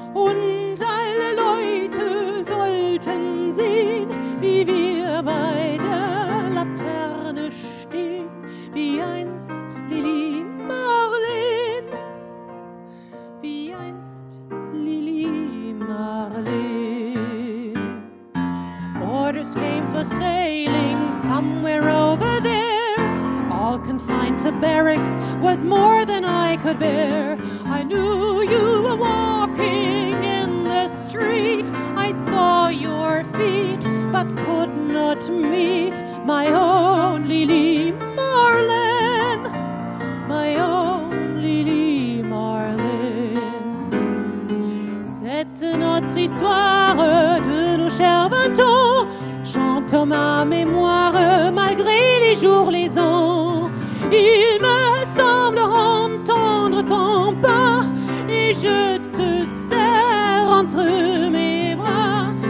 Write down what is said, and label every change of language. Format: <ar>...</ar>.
<de>Und alle Leute sollten sehen, wie wir bei der Laterne stehen, wie einst Lili Marleen, wie einst Lili Marleen.</de> <en>Orders came for sailing somewhere over there. All confined to barracks was more than I could bear. I knew you were walking in the street. I saw your feet, but could not meet my own Lili Marleen, my own Lili Marleen.</en> <fr>Cette notre histoire de nos chers 20 ans chante en ma mémoire malgré les jours, les ans. Il me semble entendre ton pas et je te serre entre mes bras.</fr>